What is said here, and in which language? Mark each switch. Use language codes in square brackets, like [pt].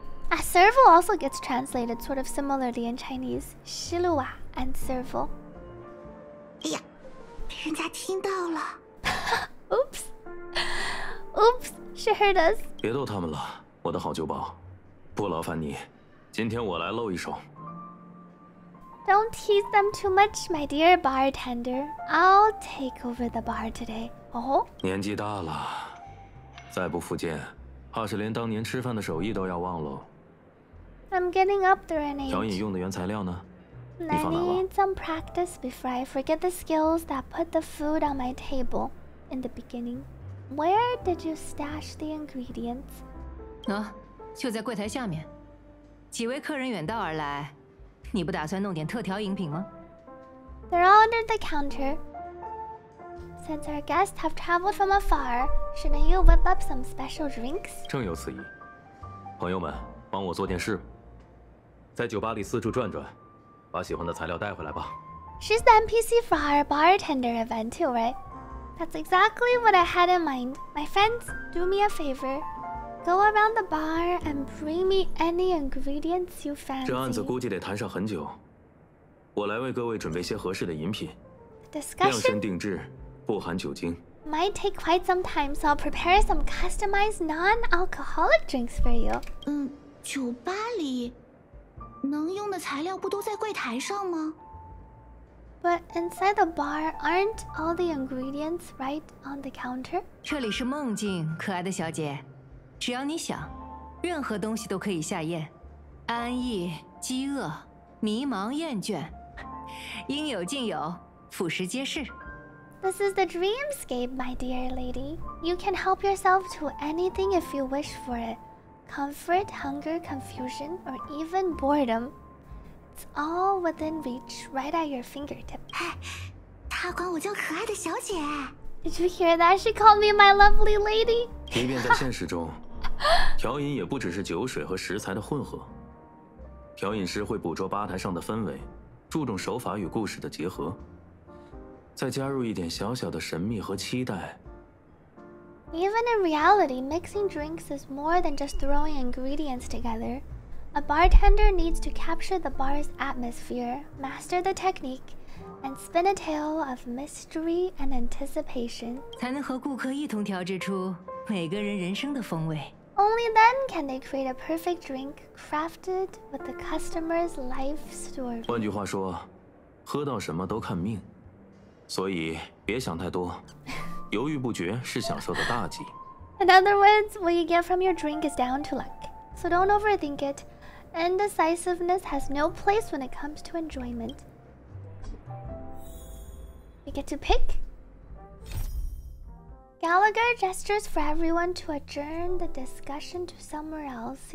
[en] A servo also gets translated sort of similarly in Chinese. 希露瓦 and servo. [zh] 哎呀，被人家听到了。 [en] Oops. Oops. She heard us. [zh] 别逗他们了，我的好酒保。不劳烦你，今天我来露一手。 [en] Don't tease them too much, my dear bartender. I'll take over the bar today. 哦、oh? ， [zh] 年纪大了，再不复健，怕是连当年吃饭的手艺都要忘喽。 [en] I'm getting up there in age. [zh] 调饮用的原材料呢？你放来吧。 [en] I need some practice before I forget the skills that put the food on my table in the beginning. Where did you stash the ingredients? [zh] 啊。就在柜台下面，几位客人远道而来，你不打算弄点特调饮品吗？ [en] They're all under the counter. Since our guests have traveled from afar, shouldn't you whip up some special drinks? [zh] 正有此意，朋友们，帮我做件事，在酒吧里四处转转，把喜欢的材料带回来吧。 [en] She's the NPC for our bartender event too, right? That's exactly what I had in mind. My friends, do me a favor. Go around the bar and bring me any ingredients you fancy. [zh] 这案子估计得谈上很久。我来为各位准备些合适的饮品。 [en] Discussion. [zh] 量身定制，不含酒精。 [en] Might take quite some time, so I'll prepare some customized non-alcoholic drinks for you. [zh] 嗯，酒吧里能用的材料不都在柜台上吗？ [en] But inside the bar, aren't all the ingredients right on the counter? [zh] 这里是梦境，可爱的小姐。只要你想，任何东西都可以下咽。安逸、饥饿、迷茫、厌倦，应有尽有，俯拾皆是。 [en] This is the dreamscape, my dear lady. You can help yourself to anything if you wish for it. Comfort, hunger, confusion, or even boredom. It's all within reach, right at your fingertip. [zh] 她管我叫可爱的小姐。 [en] Did you hear that? She called me my lovely lady. [zh] 即便在现实中。调饮也不只是酒水和食材的混合，调饮师会捕捉吧台上的氛围，注重手法与故事的结合，再加入一点小小的神秘和期待。 [en] Even in reality, mixing drinks is more than just throwing ingredients together. A bartender needs to capture the bar's atmosphere, master the technique, and spin a tale of mystery and anticipation. [zh] 才能和顾客一同调制出每个人人生的风味。 [en] Only then can they create a perfect drink crafted with the customer's life story. [zh] 换句话说，喝到什么都看命，所以别想太多，犹豫不决是享受的大忌。 [en] In other words, what you get from your drink is down to luck. So don't overthink it. Indecisiveness has no place when it comes to enjoyment. You get to pick. Gallagher gestures for everyone to adjourn the discussion to somewhere else.